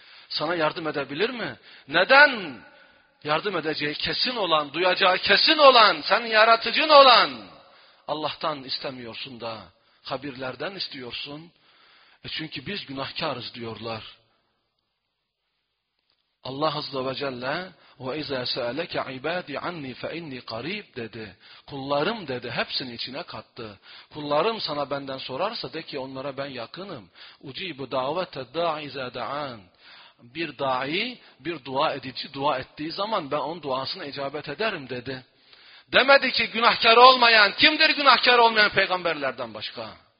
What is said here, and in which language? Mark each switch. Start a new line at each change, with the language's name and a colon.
Turkish: Sana yardım edebilir mi? Neden yardım edeceği kesin olan, duyacağı kesin olan, senin yaratıcın olan Allah'tan istemiyorsun da kabirlerden istiyorsun? Çünkü biz günahkarız diyorlar. Allah Azze ve Celle
Arabic: وَاِذَا سَأَلَكَ عِبَادِ عَنِّي فَاِنِّي قَرِيبٌ
Turkish: dedi. Kullarım dedi, hepsini içine kattı. Kullarım sana benden sorarsa de ki onlara ben yakınım.
Arabic: اُجِيبُ دَعْوَةَ الدَّاعِ اِذَا دَعَانِ
Turkish: Bir da'i, bir dua edici dua ettiği zaman ben onun duasına icabet ederim dedi. Demedi ki günahkar olmayan, kimdir günahkar olmayan peygamberlerden başka?